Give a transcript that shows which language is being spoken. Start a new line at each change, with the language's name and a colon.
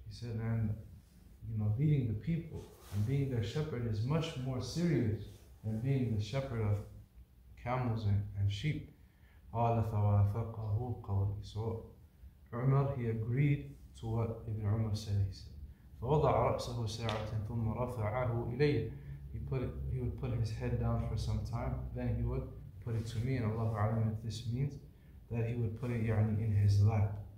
English: He said, and you know, leading the people and being their shepherd is much more serious than being the shepherd of camels and sheep.
Arabic: قَالَ فَوَافَقَهُ قَوْلِي.
English: So Umar, he agreed to what Ibn Umar said. He said,
Arabic: فَوَضَعَ رَأْسَهُ سَاعَةً ثُمَّ رَفَعَهُ إِلَيَّ.
English: He would put his head down for some time, then he would put it to me, and Allahu A'lam if this means that he would put it يعني, in his lap.